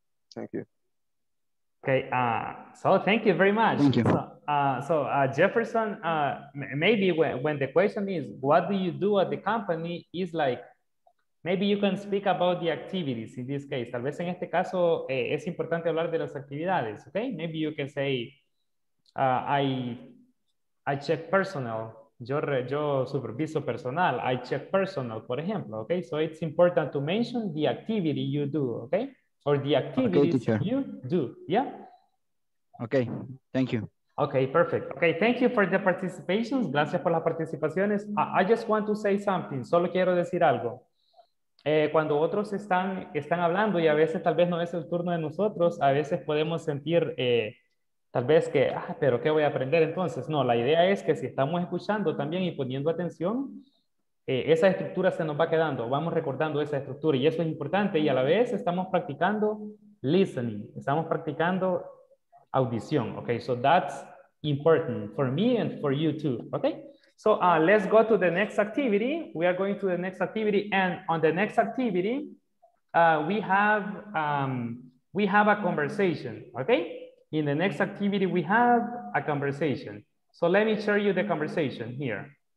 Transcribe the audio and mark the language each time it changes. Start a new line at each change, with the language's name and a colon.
English: Thank you. Okay. So thank you very much. Thank you. So, Jefferson, maybe when the question is, what do you do at the company, is like, maybe you can speak about the activities in this case.
Spanish: Tal vez en este caso es importante hablar de las actividades, okay?
English: Maybe you can say, I check personnel.
Spanish: Yo superviso personal.
English: I check personnel,
Spanish: por ejemplo, okay?
English: So it's important to mention the activity you do, okay? Or the activities you do, yeah? Okay, thank you. Okay, perfect. Okay, thank you for the participations.
Spanish: Gracias por las participaciones.
English: I just want to say something.
Spanish: Solo quiero decir algo. Cuando otros están hablando y a veces tal vez no es el turno de nosotros, a veces podemos sentir tal vez que, pero ¿qué voy a aprender entonces? No, la idea es que si estamos escuchando también y poniendo atención, esa estructura se nos va quedando, vamos recordando esa estructura y eso es importante y a la vez estamos practicando listening, estamos practicando audición.
English: Okay, so that's important for me and for you too, okay? So let's go to the next activity. We are going to the next activity. And on the next activity, we have a conversation, okay? In the next activity, we have a conversation. So let me show you the conversation here.